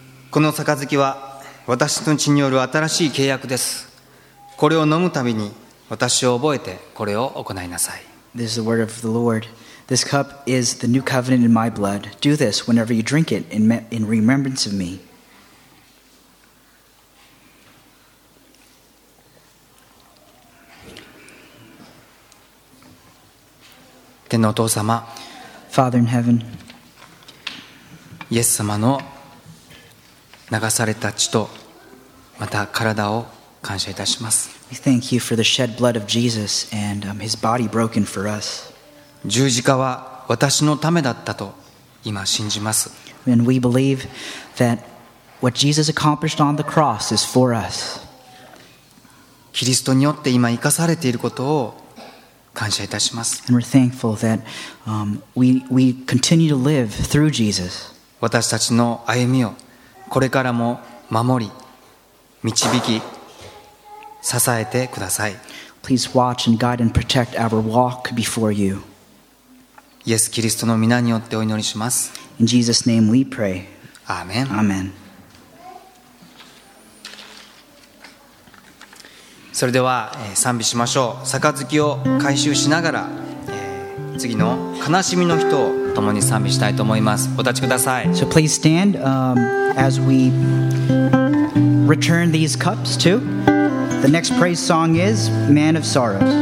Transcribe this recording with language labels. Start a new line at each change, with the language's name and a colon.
Japanese: この杯は私の血による新しい契約です。これを飲むたびに私を覚えてこれを行いなさい。
English: This is the word of the Lord. This cup is the new covenant in my blood. Do this whenever you drink it in remembrance of me. Father in heaven,
Japanese: イエス様の流された血とまた体を感謝いたします。
English: We thank you for the shed blood of Jesus and his body broken for us.
Japanese: 十字架は私のためだったと今信じます。
English: And we believe that what Jesus accomplished on the cross is for us.
Japanese: キリストによって今生かされていることを感謝いたします。
English: And we're thankful that we continue to live through Jesus.
Japanese: 私たちの歩みをこれからも守り導き支えてください。
English: Please watch and guide and protect our walk before you.
Japanese: イエス・キリストの御名によってお祈りします。
English: In Jesus' name we pray.
Japanese: アーメン。アーメン。それでは賛美しましょう。杯を回収しながら次の悲しみの人を共に賛美したいと思います。お立ちください。
English: So please stand, as we return these cups to. The next praise song is Man of Sorrows.